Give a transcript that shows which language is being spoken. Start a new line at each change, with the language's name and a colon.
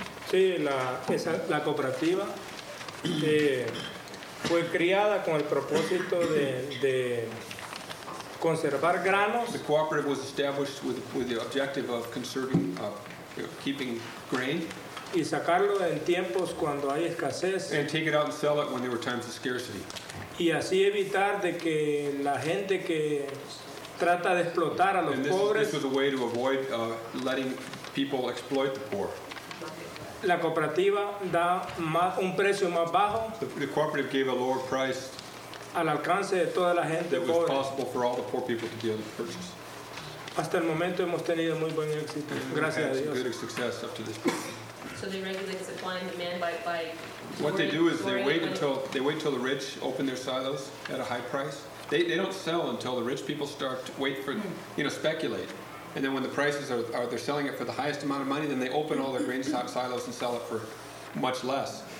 Spanish: Sí, la cooperativa fue creada con el propósito de conservar granos.
English: The cooperative was established with the objective of conserving, keeping grain.
Spanish: Y sacarlo en tiempos cuando hay escasez.
English: And take it out and sell it when there were times of scarcity.
Spanish: Y así evitar de que la gente que trata de explotar a los pobres.
English: This was a way to avoid letting people exploit the poor.
Spanish: La cooperativa da más, un precio más bajo.
English: The cooperative gave a lower price.
Spanish: Al alcance de toda la gente
English: that
Spanish: pobre.
English: Was possible for all the poor people to be able to purchase.
Spanish: Hasta el momento hemos tenido muy buen éxito.
English: And
Spanish: gracias a Dios.
English: Good success up to this point. So they regulate supply and demand by what they do is they wait until the rich open their silos at a high price. They don't sell until the rich people start to wait for, you know, speculate. And then when the prices are they're selling it for the highest amount of money, then they open all their grain stock silos and sell it for much less.